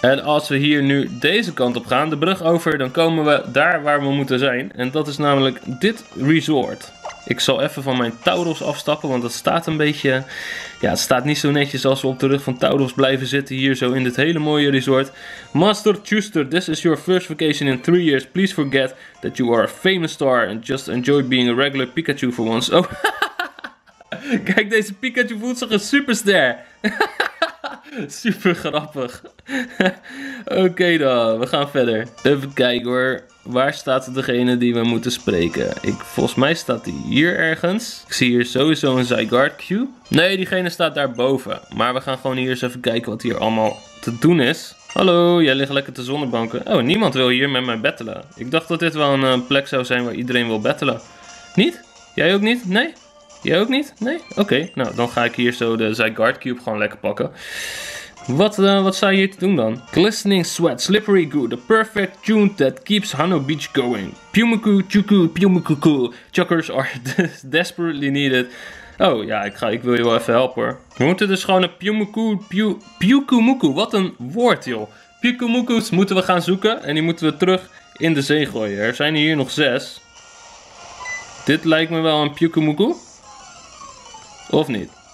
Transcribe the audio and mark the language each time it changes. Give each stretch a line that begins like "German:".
Dutch: En als we hier nu deze kant op gaan, de brug over, dan komen we daar waar we moeten zijn. En dat is namelijk dit resort. Ik zal even van mijn Tauros afstappen, want dat staat een beetje... Ja, het staat niet zo netjes als we op de rug van Tauros blijven zitten hier zo in dit hele mooie resort.
English: Master Chuster, this is your first vacation in 3 years. Please forget that you are a famous star and just enjoy being a regular Pikachu for once.
Dutch: Oh, kijk, deze Pikachu voelt zich een superster. Super grappig. Oké dan, we gaan verder. Even kijken hoor. Waar staat degene die we moeten spreken? Volgens mij staat die hier ergens. Ik zie hier sowieso een Zygarde-cue. Nee, diegene staat daarboven. Maar we gaan gewoon hier eens even kijken wat hier allemaal te doen is. Hallo, jij ligt lekker te zonnebanken. Oh, niemand wil hier met mij battelen. Ik dacht dat dit wel een plek zou zijn waar iedereen wil battelen. Niet? Jij ook niet? Nee? Jij ook niet? Nee? Oké. Nou, dan ga ik hier zo de Zygarde Cube gewoon lekker pakken. Wat sta je hier te doen dan?
English: Glistening Sweat, Slippery Goo, the perfect tune that keeps Hano Beach going. Pumiku, Chuku, Pumiku, cool. Chuckers are desperately needed.
Dutch: Oh, ja, ik wil je wel even helpen hoor. We moeten dus gewoon een Pumiku, Pukumuku, wat een woord joh. Pukumuku's moeten we gaan zoeken en die moeten we terug in de zee gooien. Er zijn hier nog 6. Dit lijkt me wel een Pukumuku. Of niet?